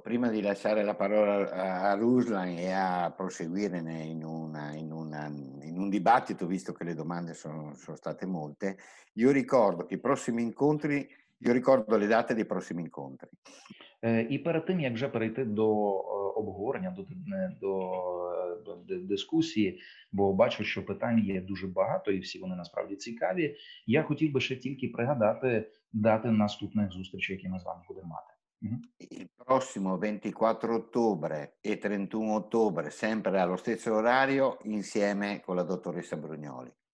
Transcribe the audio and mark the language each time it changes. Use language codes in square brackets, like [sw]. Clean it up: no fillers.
[it] Prima di lasciare la parola a Ruslan e a proseguire in un dibattito, visto che le domande sono state molte, io ricordo che i prossimi incontri, io ricordo le date dei prossimi incontri. [uk] І перед тим, як вже перейти до обговорення, до дискусії, бо бачу, що питань є дуже багато і всі вони насправді цікаві, я хотів би ще тільки пригадати дати наступних зустрічей, які ми з вами будемо мати. [it] Il prossimo 24 ottobre e 31 ottobre, sempre allo stesso orario, insieme con la dottoressa Brugnoli.